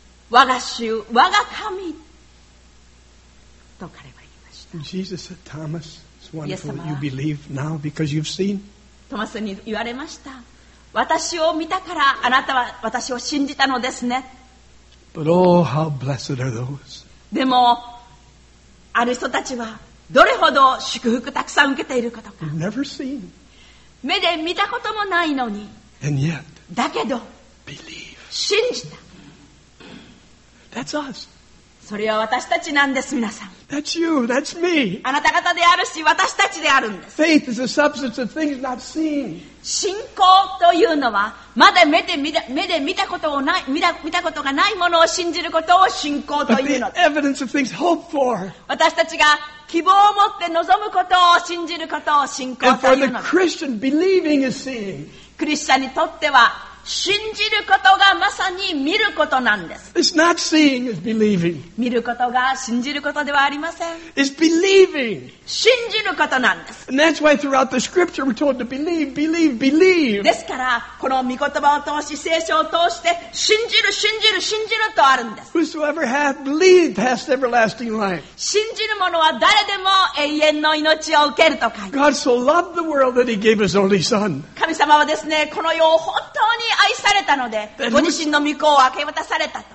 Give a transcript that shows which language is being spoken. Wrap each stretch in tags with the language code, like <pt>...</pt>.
<ja>我が主、我が神と彼は言いました。</ja> <en>Jesus said, Thomas, it's wonderful that you believe now because you've seen.</en> <ja>トマスに言われました。私を見たからあなたは私を信じたのですね。</ja> <en>But oh, how blessed are those.</en> <ja>でも、ある人たちはどれほど祝福たくさん受けていることか。</ja> <en>Never seen.</en> <ja>目で見たこともないのに。</ja> <en>And yet,</en> <ja>だけど、</ja> <en>believe.</en> <ja>信じた。</ja> <en>That's us.</en> <ja>それは私たちなんです、皆さん。</ja> <en>That's you, that's me.</en> <ja>あなた方であるし、私たちであるんです。</ja> <en>Faith is a substance of things not seen.</en> <ja>信仰というのは、まだ目で見たことをない、見たことがないものを信じることを信仰というのです。</ja> <en>But the evidence of things hoped for.</en> <ja>私たちが希望を持って望むことを信じることを信仰というのです。</ja> <en>And for the Christian, believing is seeing.</en> <ja>クリスチャンにとっては、信じることがまさに見ることなんです。</ja> <en>It's not seeing, it's believing.</en> <ja>見ることが信じることではありません。</ja> <en>It's believing.</en> <ja>信じることなんです。</ja> <en>And that's why throughout the scripture we're told to believe, believe, believe.</en> <ja>ですから、この御言葉を通し、聖書を通して、信じる、信じる、信じるとあるんです。</ja> <en>Whosoever hath believed has everlasting life.</en> <ja>信じる者は誰でも永遠の命を受けると書いて。</ja> <en>God so loved the world that he gave his only son.</en> <ja>神様はですね、この世を本当に愛されたのでご自身の御子を明け渡されたと。</ja>